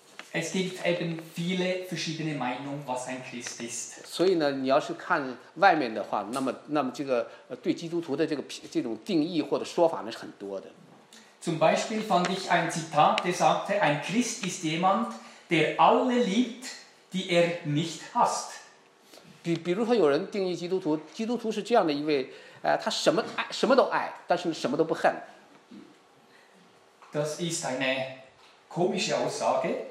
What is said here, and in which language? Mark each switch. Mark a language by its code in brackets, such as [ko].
[de] Es gibt eben viele verschiedene Meinungen, was ein Christ ist. [zh] 所以呢，你要是看外面的话，那么这个对基督徒的这种定义或者说法呢是很多的。 [de] Zum Beispiel fand ich ein Zitat, der sagte, ein Christ ist jemand, der alle liebt, die er nicht hasst. [zh] 比如说有人定义基督徒是这样的一位，他什么都爱，但是什么都不恨。 [de] Das ist eine komische Aussage.